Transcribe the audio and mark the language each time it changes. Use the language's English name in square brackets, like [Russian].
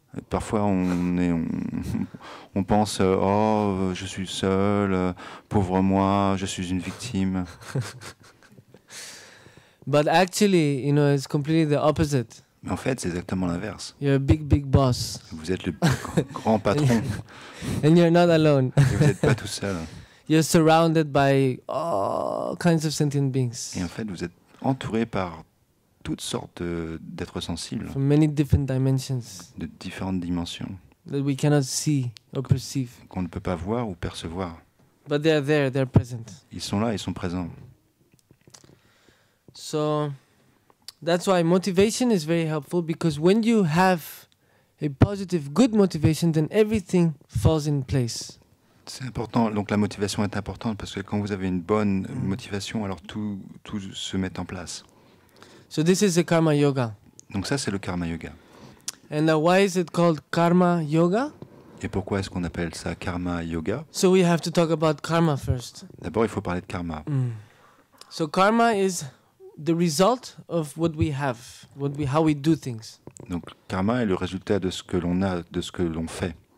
[French] Parfois, on pense, oh, je suis seul, pauvre moi, je suis une victime. [English] But actually, you know, it's completely the opposite. [French] Mais en fait, c'est exactement l'inverse. [English] You're a big, big boss. [French] Vous êtes le grand patron. [English] And you're not alone. [French] Et vous n'êtes pas tout seul. [English] You're surrounded by all kinds of sentient beings. [French] Et en fait, vous êtes entouré par toutes sortes d'êtres sensibles. [English] From many different dimensions. [French] De différentes dimensions. [English] That we cannot see or perceive. [French] Qu'on ne peut pas voir ou percevoir. [English] But they are there, they are present. [French] Ils sont là, ils sont présents. [English] So that's why motivation is very helpful because when you have a positive, good motivation, then everything falls in place. [French] C'est important. Donc la motivation est importante parce que quand vous avez une bonne motivation, alors tout se met en place. [English] So this is the karma yoga. [French] Donc ça c'est le karma yoga. [English] And why is it called karma yoga? [French] Et pourquoi est-ce qu'on appelle ça karma yoga? [English] So we have to talk about karma first. [French] D'abord il faut parler de karma. [English] So karma is the result of what we have, how we do things. [French] Donc karma est le résultat de ce que l'on a, de ce que l'on fait.